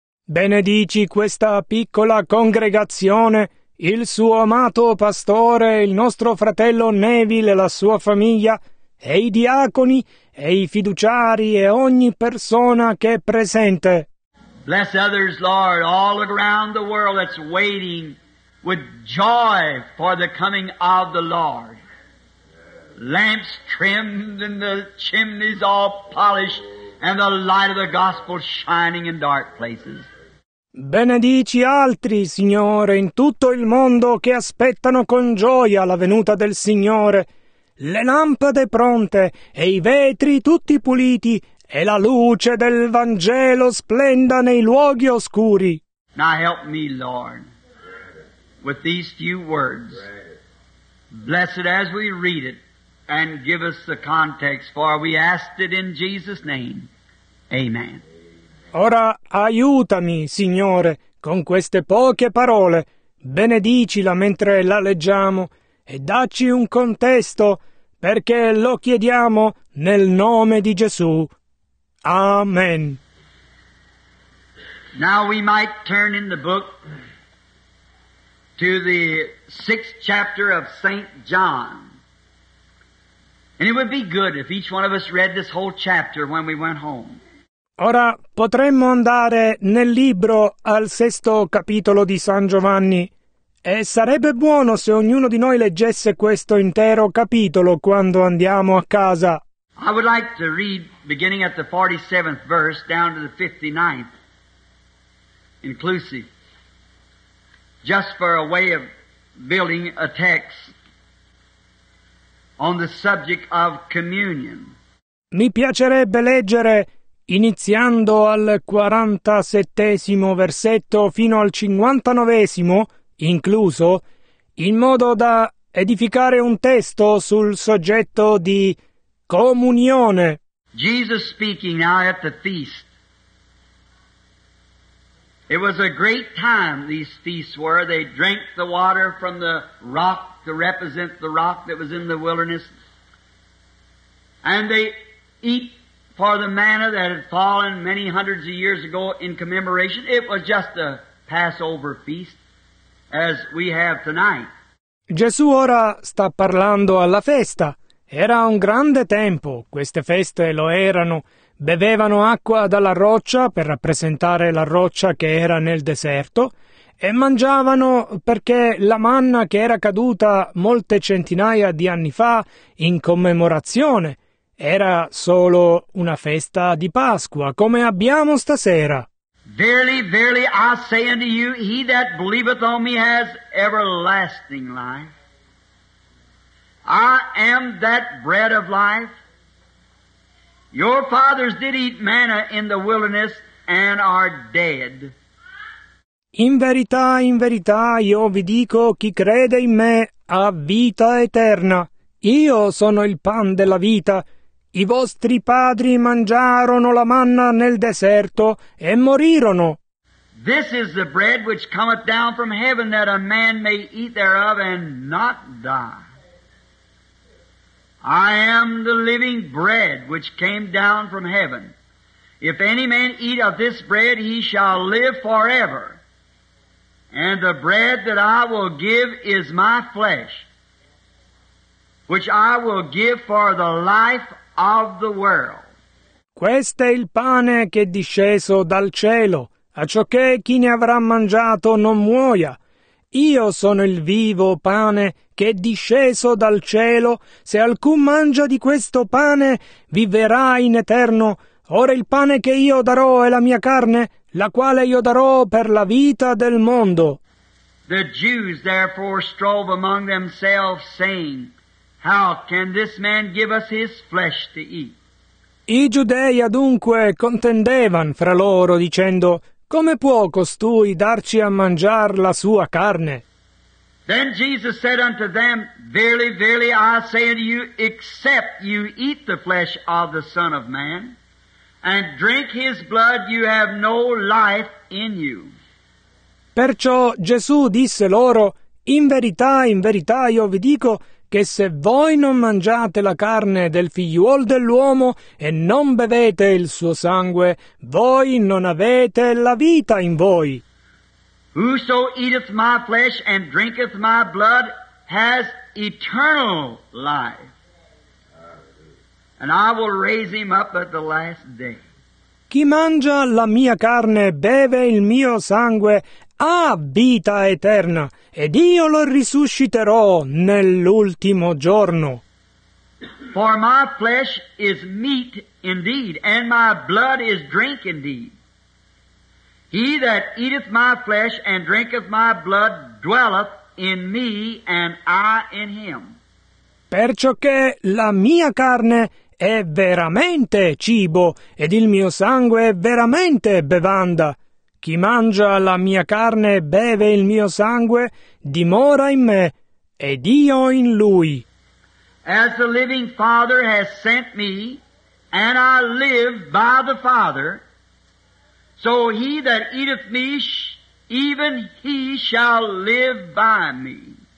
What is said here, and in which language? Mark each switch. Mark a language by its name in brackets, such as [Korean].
[Italian] Benedici questa piccola congregazione, il suo amato pastore, il nostro fratello Neville e la sua famiglia, e i diaconi, e i fiduciari, e ogni persona che è presente. [English] Bless others, Lord, all around the world that's waiting with joy for the coming of the Lord. Lamps trimmed and the chimneys all polished and the light of the gospel shining in dark places. [Italian] Benedici altri, Signore, in tutto il mondo che aspettano con gioia la venuta del Signore, le lampade pronte e i vetri tutti puliti e la luce del Vangelo splenda nei luoghi oscuri. [English] Now help me, Lord, with these few words. Bless it as we read it and give us the context, for we asked it in Jesus' name. Amen. [Italian] Ora aiutami, Signore, con queste poche parole. Benedicila mentre la leggiamo e dacci un contesto, perché lo chiediamo nel nome di Gesù. Amen. [English] Now we might turn in the book to the sixth chapter of St. John. And it would be good if each one of us read this whole chapter when we went home. [Italian] Ora potremmo andare nel libro al sesto capitolo di San Giovanni e sarebbe buono se ognuno di noi leggesse questo intero capitolo quando andiamo a casa. [English] I would like to read beginning at the 47th verse down to the 59th inclusive, just for a way of building a text on the subject of communion. [Italian] Mi piacerebbe leggere iniziando al 47esimo versetto fino al 59esimo, incluso, in modo da edificare un testo sul soggetto di comunione. [English] Jesus speaking now at the feast. It was a great time these feasts were. They drank the water from the rock to represent the rock that was in the wilderness. And they eat for the manna that had fallen many hundreds of years ago in commemoration. It was just a Passover feast, as we have tonight. [Italian] Gesù ora sta parlando alla festa. Era un grande tempo, queste feste lo erano. Bevevano acqua dalla roccia per rappresentare la roccia che era nel deserto e mangiavano perché la manna che era caduta molte centinaia di anni fa in commemorazione era solo una festa di Pasqua, come abbiamo stasera. [English] Verily, verily, I say unto you, he that believeth on me has everlasting life. I am that bread of life. Your fathers did eat manna in the wilderness and are dead. [Italian] In verità, io vi dico, chi crede in me ha vita eterna. Io sono il pan della vita. I vostri padri mangiarono la manna nel deserto e morirono. [English] This is the bread which cometh down from heaven, that a man may eat thereof and not die. I am the living bread which came down from heaven. If any man eat of this bread, he shall live forever. And the bread that I will give is my flesh, which I will give for the life of the world. [Italian] Questo è il pane che è disceso dal cielo, a ciò che chi ne avrà mangiato non muoia. Io sono il vivo pane che è disceso dal cielo. Se alcun mangia di questo pane, vivrà in eterno. Ora il pane che io darò è la mia carne, la quale io darò per la vita del mondo. [English] The Jews therefore strove among themselves, saying, how can this man give us his flesh to eat? [Italian] I giudei adunque contendevano fra loro, dicendo, come può costui darci a mangiare la sua carne? [English] Then Jesus said unto them, verily, verily, I say unto you, except you eat the flesh of the Son of Man, and drink his blood, you have no life in you. [Italian] Perciò Gesù disse loro, in verità io vi dico che se voi non mangiate la carne del figliuol dell'uomo e non bevete il suo sangue, voi non avete la vita in voi. [English] Whoso eateth my flesh and drinketh my blood has eternal life. And I will raise him up at the last day. [Italian] Chi mangia la mia carne e beve il mio sangue ha vita eterna, ed io lo risusciterò nell'ultimo giorno. [English] For my flesh is meat indeed, and my blood is drink indeed. He that eateth my flesh and drinketh my blood dwelleth in me, and I in him. [Italian] Perciò che la mia carne è veramente cibo, ed il mio sangue è veramente bevanda. Chi mangia la mia carne e beve il mio sangue, dimora in me, ed io in lui. [English] As the living Father has sent me, and I live by the Father, so he that eateth me, even he shall live by me.